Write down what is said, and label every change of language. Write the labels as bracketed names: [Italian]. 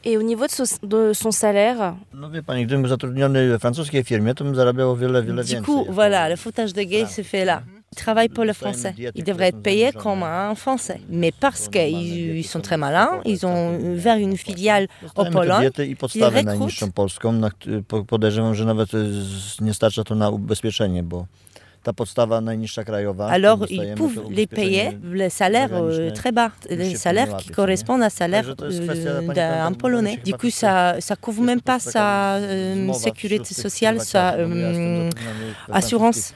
[French] Et au niveau de son salaire? Non, mais pas, quand j'ai travaillé dans une française firme, je travaillais beaucoup plus. Du coup, voilà, le foutage de gay se fait là. Ils travaillent pour le français. Ils devraient être payés comme un français. Mais parce qu'ils sont très malins, ils ont ouvert une filiale en Pologne. Ils recrutent. Ils [Polish] sont polskie, na podejrzewam, że nawet nie starcza to na ubezpieczenie, bo ta podstawa najniższa krajowa. [French] Alors ils peuvent les payer le salaire très bas, le salaire qui correspond à salaire d'un polonais. Du coup ça couvre même pas sa sécurité sociale, sa assurance.